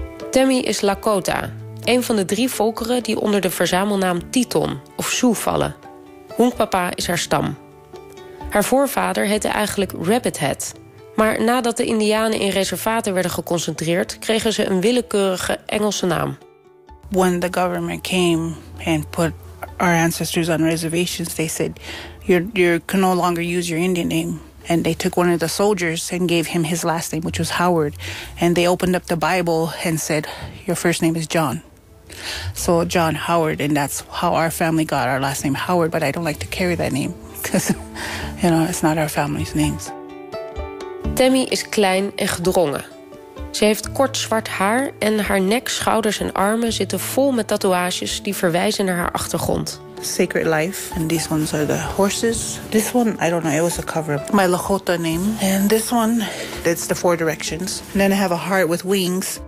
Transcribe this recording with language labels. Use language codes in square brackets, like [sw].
[nl] Tammy is Lakota, een van de 3 volkeren die onder de verzamelnaam Teton of Sioux vallen. Hunkpapa is haar stam. Haar voorvader heette eigenlijk Rabbit Head. Maar nadat de Indianen in reservaten werden geconcentreerd, kregen ze een willekeurige Engelse naam. [en] When the government came and put our ancestors on reservations, they said you can no longer use your Indian name. And they took one of the soldiers and gave him his last name, which was Howard. And they opened up the Bible and said, your first name is John. So John Howard, and that's how our family got our last name Howard, but I don't like to carry that name. Because, you know, it's not our family's names. [nl] Tammy is klein en gedrongen. Ze heeft kort zwart haar en haar nek, schouders en armen zitten vol met tatoeages die verwijzen naar haar achtergrond. [en] Sacred life. And these ones are the horses. This one, I don't know, it was a cover. My Lakota name. And this one, it's the 4 directions. And then I have a heart with wings.